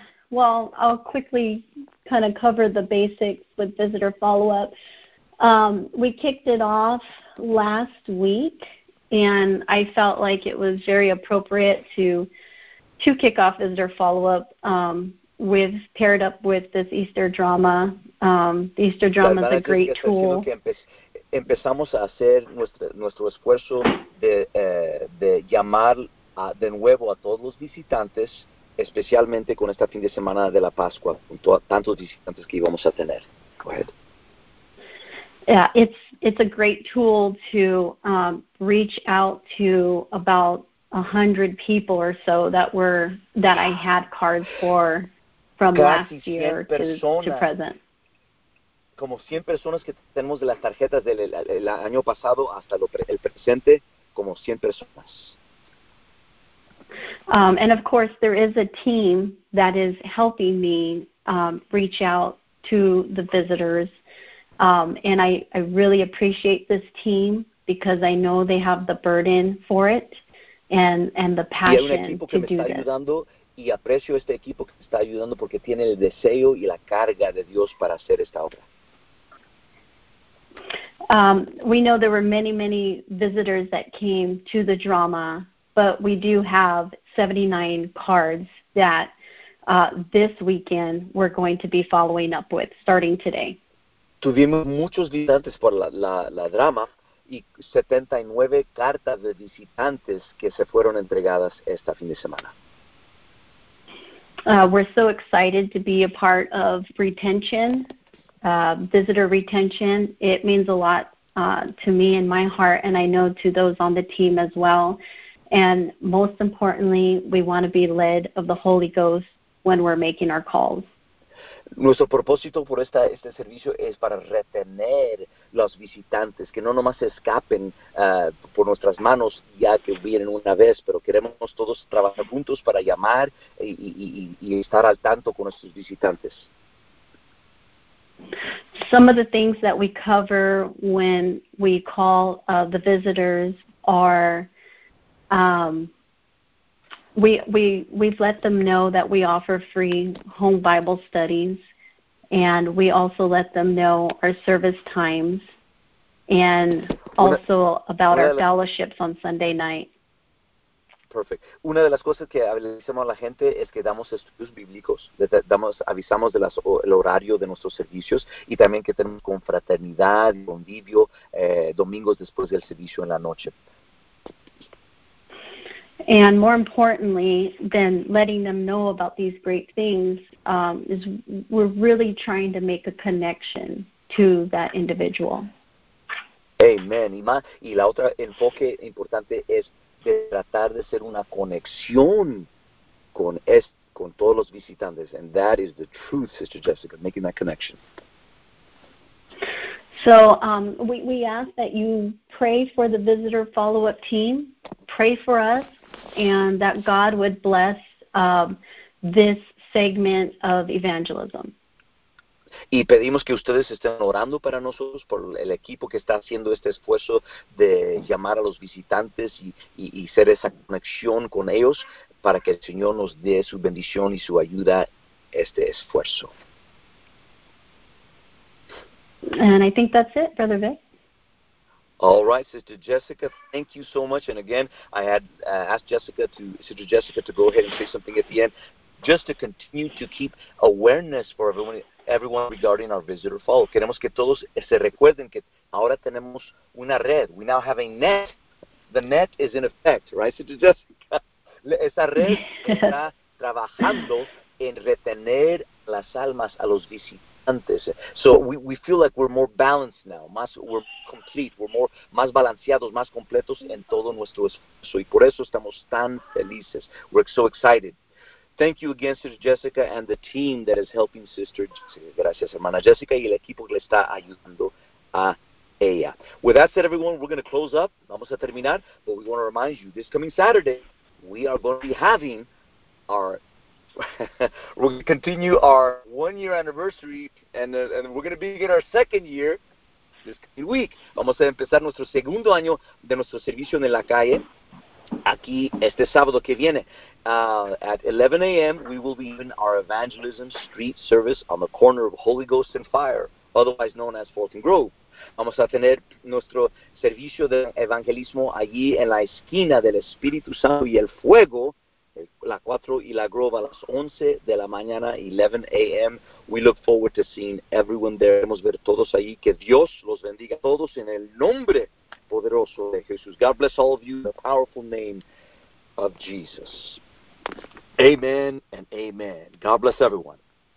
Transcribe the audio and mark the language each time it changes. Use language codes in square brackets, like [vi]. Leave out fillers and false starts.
[en] Well, I'll quickly kind of cover the basics with visitor follow-up. We kicked it off last week, and I felt like it was very appropriate to kick off visitor follow-up with paired up with this Easter drama. The Easter drama is a great tool. [es] Empezamos a hacer nuestro esfuerzo de llamar de nuevo a todos los visitantes, especialmente con esta fin de semana de la Pascua, con tantos visitantes que íbamos a tener. [en] Go ahead. Yeah, it's a great tool to reach out to about 100 people or so that I had cards for from last year to present. [es] Como 100 personas que tenemos de las tarjetas del el año pasado hasta el presente, como 100 personas. [en] And of course, there is a team that is helping me reach out to the visitors. And I really appreciate this team because I know they have the burden for it and the passion [es] y hay un equipo que [en] to do [es] me está ayudando, y aprecio este equipo que está ayudando porque tiene el deseo y la carga de Dios para hacer esta obra. [en] We know there were many, many visitors that came to the drama, but we do have 79 cards that this weekend we're going to be following up with starting today. [es] Tuvimos muchos visitantes por la drama y 79 cartas de visitantes que se fueron entregadas esta fin de semana. [en] We're so excited to be a part of retention. Visitor retention, it means a lot to me in my heart, and I know to those on the team as well. And most importantly, we want to be led of the Holy Ghost when we're making our calls. [es] Nuestro propósito por este servicio es para retener los visitantes, que no nomás escapen por nuestras manos ya que vienen una vez, pero queremos todos trabajar juntos para llamar y estar al tanto con nuestros visitantes. [en] Some of the things that we cover when we call the visitors are we've let them know that we offer free home Bible studies, and we also let them know our service times and also about our fellowships on Sunday night. Perfect. [es] Una de las cosas que avisamos a la gente es que damos estudios bíblicos, avisamos el horario de nuestros servicios y también que tenemos confraternidad, convivio, domingos después del servicio en la noche. [en] And more importantly than letting them know about these great things is we're really trying to make a connection to that individual. Amen. [es] Y la otra enfoque importante es de tratar de ser una conexión con todos los visitantes. [en] And that is the truth, Sister Jessica, making that connection. So we ask that you pray for the visitor follow-up team, pray for us, and that God would bless this segment of evangelism. [es] Y pedimos que ustedes estén orando para nosotros, por el equipo que está haciendo este esfuerzo de llamar a los visitantes y hacer esa conexión con ellos, para que el Señor nos dé su bendición y su ayuda este esfuerzo. [en] And I think that's it, Brother Vic. All right, Sister Jessica, thank you so much. And again, I had asked Sister Jessica to go ahead and say something at the end, just to continue to keep awareness for everyone regarding our visitor follow. [es] Queremos que todos se recuerden que ahora tenemos una red. [en] We now have a net. The net is in effect, right, Sister Jessica? [es] Esa red está trabajando en retener las almas a los visitantes. [en] So we feel like we're more balanced now. We're complete. We're more [es] más balanceados, más completos en todo nuestro esfuerzo. Y por eso estamos tan felices. [en] We're so excited. Thank you again, Sister Jessica, and the team that is helping Sister Jessica. [es] Gracias, hermana Jessica, y el equipo que le está ayudando a ella. [en] With that said, everyone, we're going to close up. [es] Vamos a terminar, [en] but we want to remind you, this coming Saturday, we are going to be having we're going to continue our one-year anniversary, and we're going to begin our second year this week. [es] Vamos a empezar nuestro segundo año de nuestro servicio en la calle aquí este sábado que viene. [en] At 11 a.m., we will be in our evangelism street service on the corner of Holy Ghost and Fire, otherwise known as Fulton Grove. [es] Vamos a tener nuestro servicio de evangelismo allí en la esquina del Espíritu Santo y el Fuego, la 4 y la Grove, a las 11 de la mañana, 11 a.m. [en] We look forward to seeing everyone there. [es] Queremos ver todos allí. Que Dios los bendiga a todos en el nombre poderoso de Jesús. [en] God bless all of you in the powerful name of Jesus. Amen and amen. God bless everyone.